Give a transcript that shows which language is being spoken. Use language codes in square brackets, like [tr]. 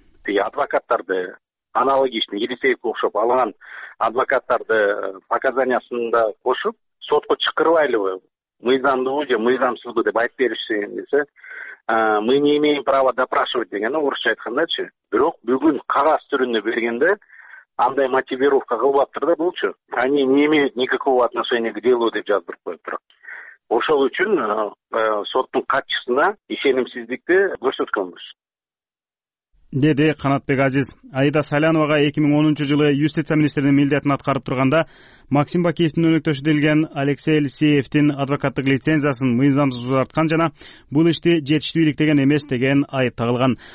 [ky] Адвокаттарды аналогичный Елисеевке окшоп алган адвокаттарды показаниясында кошуп сотко чакырбайлыбы, мыйзамдуубу же мыйзамсызбы деп айтып беришсин десе, [ru] мы не имеем права допрашивать [ky] деген, орусча айткандачы. Бирок бүгүн кагаз түрүндө бергенде андай мотивировка кылбаптыр да булчу. [ru] Они не имеют никакого отношения к делу [ky] деп жаздырып коюптур. Ошол үчүн соттун катчысына ишенимсиздикти көрсөткөнбүз, деди Канатбек Азиз. Аида Салянова 2010-жылы юстиция министринин милдетин аткарып турганда Максим Бакиевдин өнөктөшү делген Алексей Элисеевдин адвокаттык лицензиясын мыйзамсыз узарткан жана бул ишти жетиштүү иликтеген эмес деген айып тагылган.